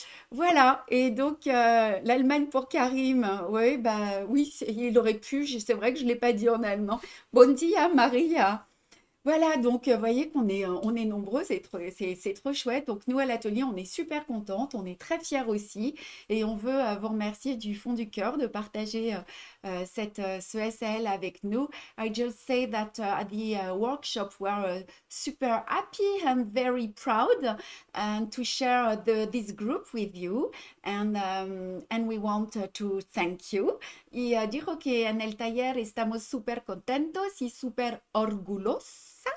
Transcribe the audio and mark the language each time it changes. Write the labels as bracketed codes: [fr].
[fr] Voilà, et donc l'Allemagne pour Karim. Oui, bah oui, il aurait pu, c'est vrai que je ne l'ai pas dit en allemand. [ca] Bon dia, [fr] Maria. Voilà, donc vous voyez qu'on est, on est nombreux, c'est trop chouette. Donc nous, à l'atelier, on est super contentes, on est très fiers aussi, et on veut vous remercier du fond du cœur de partager ce SL avec nous. [en] I just say that at the workshop, we are super happy and very proud to share this group with you, and we want to thank you. [es] Y dijo que en el taller estamos super contentos y super orgullosos.